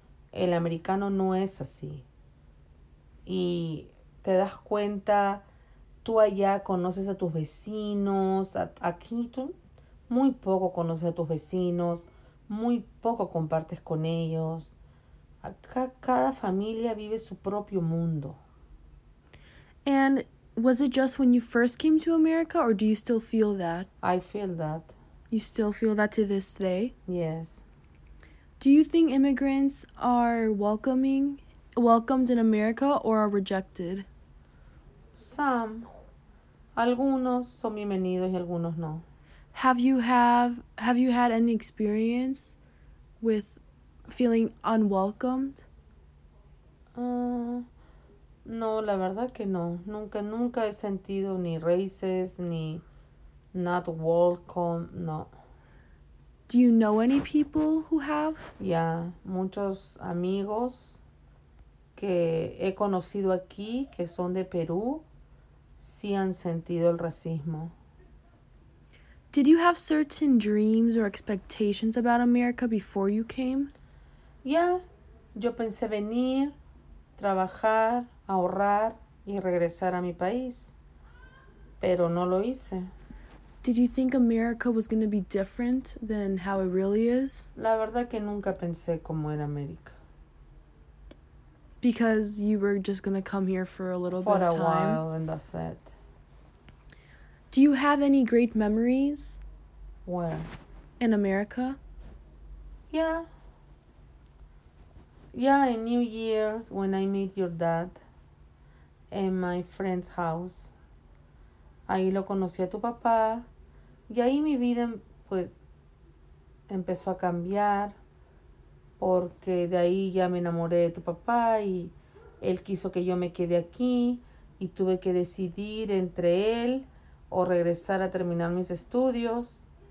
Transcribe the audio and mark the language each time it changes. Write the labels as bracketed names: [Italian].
[Spanish] El americano no es así. Y te das cuenta, tú allá conoces a tus vecinos, aquí tú muy poco conoces a tus vecinos, muy poco compartes con ellos. Acá cada familia vive su propio mundo. [English] And was it just when you first came to America, or do you still feel that? I feel that. You still feel that to this day? Yes. Do you think immigrants are welcomed in America, or are rejected? [Spanish] Some. Algunos son bienvenidos y algunos no. [English] Have you had any experience with feeling unwelcomed? [Spanish] No, la verdad que no. Nunca he sentido ni racist, ni [English] not welcome, [Spanish] no. [English] Do you know any people who have? [Spanish] Yeah, muchos amigos que he conocido aquí, que son de Perú, sí han sentido el racismo. [English] Did you have certain dreams or expectations about America before you came? [Spanish] Yeah, yo pensé venir, trabajar, ahorrar y regresar a mi país. Pero no lo hice. [English] Did you think America was going to be different than how it really is? [Spanish] La verdad que nunca pensé cómo era América. [English] Because you were just going to come here for a little bit of time. For a while, and that's it. Do you have any great memories? Where? In America? Yeah. Yeah, in New Year, when I met your dad in my friend's house. [Spanish] Ahí lo conocí a tu papá. Y ahí mi vida, pues, empezó a cambiar. Porque de ahí ya me enamoré de tu papá y él quiso que yo me quede aquí. Y tuve que decidir entre él o regresar a terminar mis estudios.